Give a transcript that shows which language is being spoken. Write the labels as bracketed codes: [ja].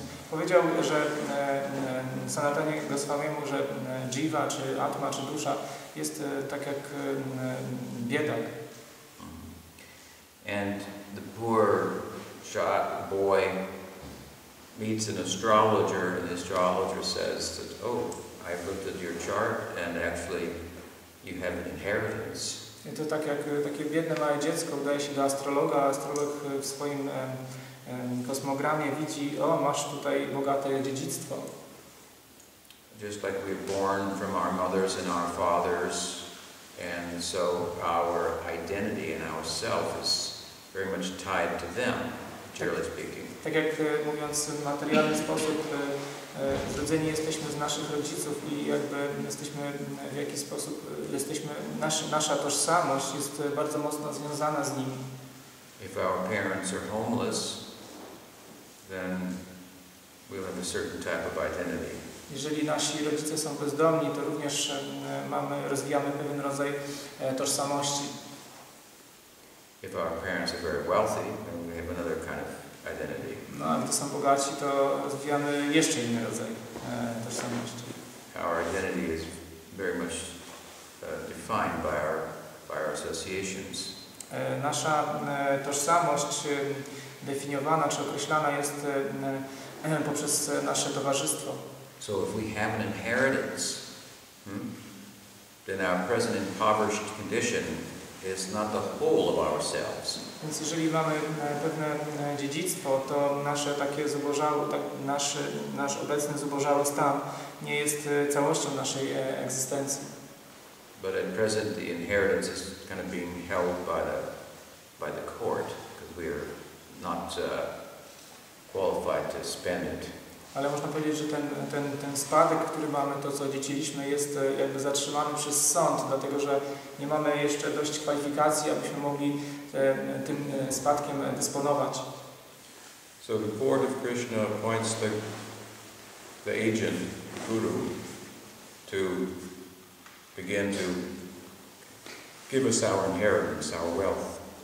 [pl] Powiedział, że Sanatana Goswamiemu, że jiva, czy atma, czy dusza jest tak jak biedak. [en] And the poor shot boy meets an astrologer, and the astrologer says that, oh, I've looked at your chart, and actually you have an inheritance. [pl] I to tak jak takie biedne małe dziecko udaje się do astrologa, a astrolog w swoim kosmogramie widzi, o, masz tutaj bogate dziedzictwo. [en] Just like we're born from our mothers and our fathers, and so our identity and our self is very much tied to them, generally speaking. [pl] Tak jak mówiąc w materialny sposób, zrodzeni jesteśmy z naszych rodziców i jakby jesteśmy w jakiś sposób, jesteśmy, nasza tożsamość jest bardzo mocno związana z nimi. [en] If our parents are homeless, then we'll have a certain type of identity. [pl] Jeżeli nasi rodzice są bezdomni, to również rozwijamy pewien rodzaj tożsamości. [en] If our parents are very wealthy, then we have another kind of identity. [pl] No, a gdy są bogaci, to rozwijamy jeszcze inny rodzaj tożsamości. [en] Our identity is very much defined by our associations. [pl] Nasza tożsamość definiowana czy określana jest poprzez nasze towarzystwo. [en] So if we have an inheritance, then our present impoverished condition is not the whole of ourselves. [pl] Więc jeżeli mamy pewne dziedzictwo, to nasze takie zubożało, tak, nasz obecny zubożały stan nie jest całością naszej egzystencji. [en] But at present the inheritance is kind of being held by the court, because we are not qualified to spend it. [pl] Ale można powiedzieć, że ten spadek, który mamy, to co dziedziczyliśmy, jest jakby zatrzymany przez sąd, dlatego że nie mamy jeszcze dość kwalifikacji, abyśmy mogli tym spadkiem dysponować. [en] So the court of Krishna appoints the agent, guru, to begin to give us our inheritance, our wealth.